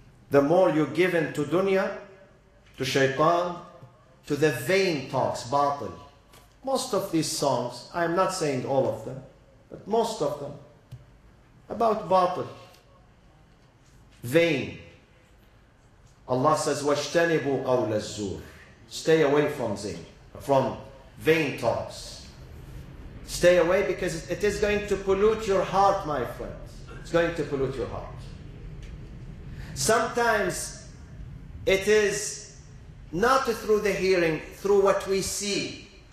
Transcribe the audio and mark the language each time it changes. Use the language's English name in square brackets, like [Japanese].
[English] The more you give in to dunya, to shaitan, to the vain talks, batil. Most of these songs, I am not saying all of them, but most of them, about batil. Vain. Allah says, [Arabic] وَاجْتَنِبُوا قَوْلَ الزُّورِ. [English] Stay away from zing, from vain talks. Stay away because it is going to pollute your heart, my friend. It's going to pollute your heart. Sometimes it is not through the hearing, through what we see.